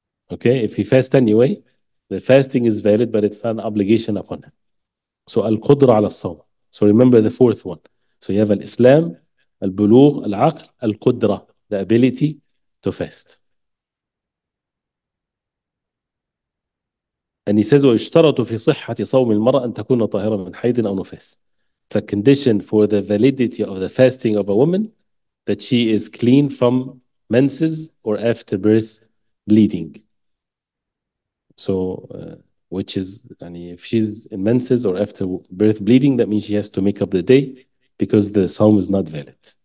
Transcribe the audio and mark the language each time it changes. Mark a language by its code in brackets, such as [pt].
[en] Okay, if he fasts anyway, the fasting is valid, but it's not an obligation upon him. So al-qudra ala al-sawm. So remember the fourth one. So you have al-Islam, al-bulugh, al-aql, al-qudra, the ability to fast. And he says, [ar] وَيُشْتَرَطُ فِي صِحَّةِ صَوْمِ الْمَرَأَ أَن تَكُونَ طَاهِرًا مِنْ حَيْدٍ أَوْ نُفَاسٍ. [en] It's a condition for the validity of the fasting of a woman that she is clean from menses or after birth bleeding. So, which is, if she's in menses or after birth bleeding, that means she has to make up the day because the sawm is not valid.